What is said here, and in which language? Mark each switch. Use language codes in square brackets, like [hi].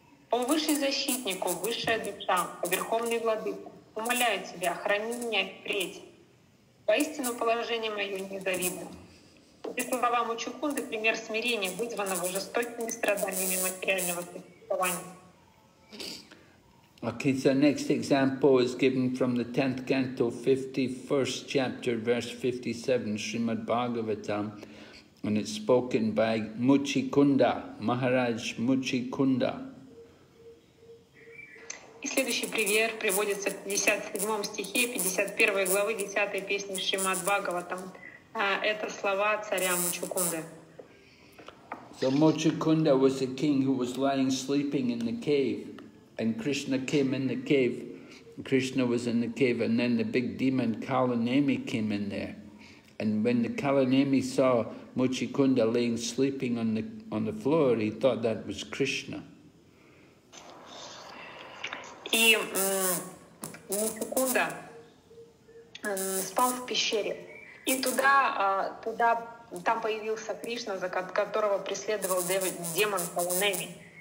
[ru] О Высший Защитник, о Высшая Душа, о Верховный Владыка, умоляю Тебя, храни меня впредь. Воистину положение мое незавидно. Эти слова Мучукунды — пример смирения, вызванного жестокими страданиями материального существования. [en] Okay, so next example is given from the 10th canto, 51st chapter, verse 57, Srimad Bhagavatam, and it's spoken by Muchikunda, Maharaj Muchikunda. [ru] И следующий пример приводится в 57 стихе 51 главы 10 песни Шримад-Бхагаватам. Это слова царя Мучукунды. [en] So Mochikunda was a king who was lying sleeping in the cave, and Krishna came in the cave. Krishna was in the cave, and then the big demon Kalanemi came in there. And when the Kalanemi saw Mochikunda laying sleeping on the floor, he thought that was Krishna. [ru] И Мучукунда спал в пещере, и там появился Кришна, за которого преследовал демон Каланеми.